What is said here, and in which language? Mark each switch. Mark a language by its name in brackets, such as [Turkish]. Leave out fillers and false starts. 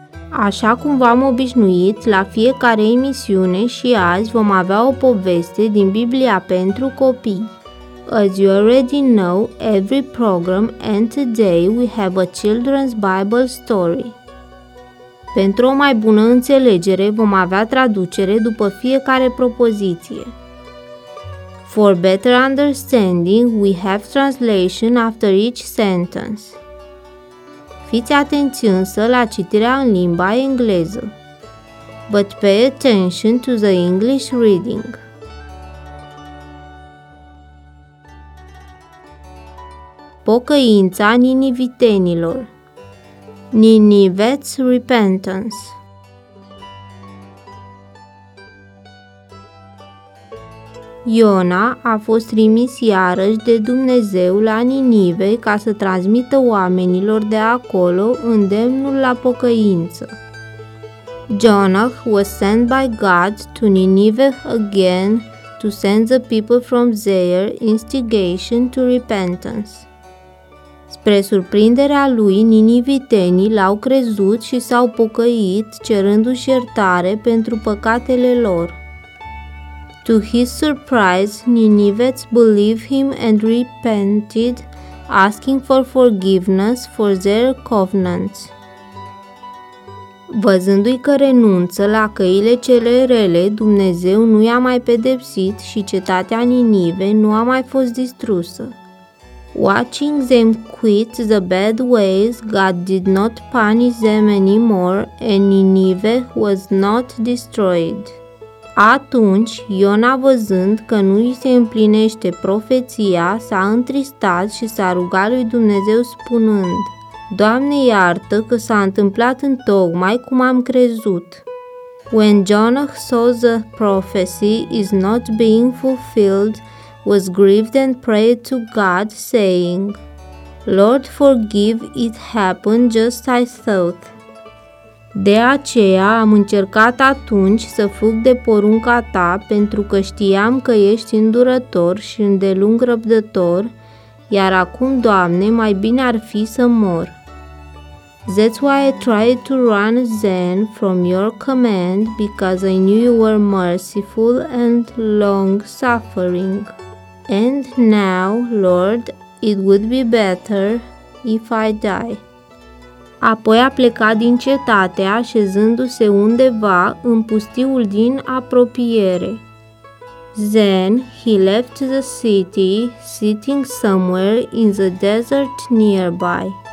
[Romanian] Așa cum v-am obișnuit, la fiecare emisiune și azi vom avea o poveste din Biblia pentru copii. [English] As you already know, every program and today we have a children's Bible story. [Romanian] Pentru o mai bună înțelegere, vom avea traducere după fiecare propoziție. [English] For better understanding, we have translation after each sentence. [Romanian] Fiți atenți însă la citirea în limba engleză. [English] But pay attention to the English reading. [Romanian] Pocăința ninivitenilor. [English] Ninive's repentance. [Romanian] Iona a fost trimis iarăși de Dumnezeu la Ninive ca să transmită oamenilor de acolo îndemnul la pocăință. [English] Jonah was sent by God to Nineveh again to send the people from there instigation to repentance. [Romanian] Spre surprinderea lui, ninivitenii l-au crezut și s-au pocăit cerându-și iertare pentru păcatele lor. [English] To his surprise, Ninivites believed him and repented, asking for forgiveness for their covenants. [Romanian] Văzându-i că renunță la căile cele rele, Dumnezeu nu i-a mai pedepsit și cetatea Ninive nu a mai fost distrusă. [English] Watching them quit the bad ways, God did not punish them anymore and Ninive was not destroyed. [Romanian] Atunci, Iona văzând că nu îi se împlinește profeția, s-a întristat și s-a rugat lui Dumnezeu spunând, Doamne iartă că s-a întâmplat întocmai cum am crezut. [English] When Jonah saw the prophecy is not being fulfilled, was grieved and prayed to God, saying, Lord forgive, it happened just I thought. [Romanian] De aceea am încercat atunci să fug de porunca ta pentru că știam că ești îndurător și îndelung răbdător, iar acum, Doamne, mai bine ar fi să mor. [English] That's why I tried to run then from your command because I knew you were merciful and long-suffering. And now, Lord, it would be better if I die. [Romanian] Apoi a plecat din cetate, așezându-se undeva în pustiul din apropiere. [English] Then he left the city, sitting somewhere in the desert nearby.